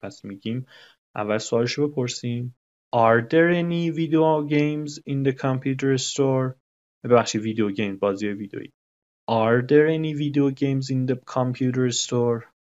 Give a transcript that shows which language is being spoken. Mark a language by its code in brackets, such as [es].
[fa] پس میگیم اول سوالشو بپرسیم. [en] Are there any video games in the computer store? [fa] ببخشید ویدیو گیم بازی ویدیویی. [en] Are there any video games in the computer store?